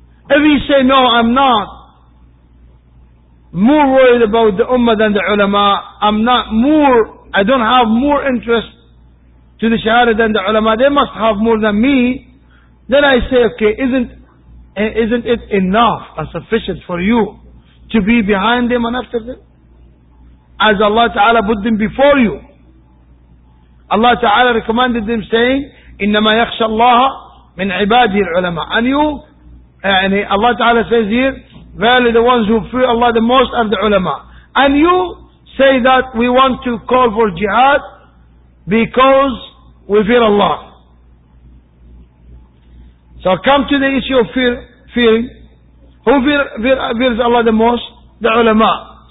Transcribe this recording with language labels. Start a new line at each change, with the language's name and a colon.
English: If you say no, I'm not more worried about the ummah than the ulama, I don't have more interest to the shahada than the ulama, they must have more than me, then I say, okay, isn't it enough and sufficient for you to be behind them and after them? As Allah Ta'ala put them before you. Allah Ta'ala recommended them saying,
Arabic: إِنَّمَا يَخْشَى اللَّهَ مِنْ عِبَادِهِ الْعُلَمَاءِ.
English: And you, and Allah Ta'ala says here, verily the ones who fear Allah the most are the ulama. And you say that we want to call for jihad because we fear Allah. So come to the issue of fearing. Who fears Allah the most? The ulama.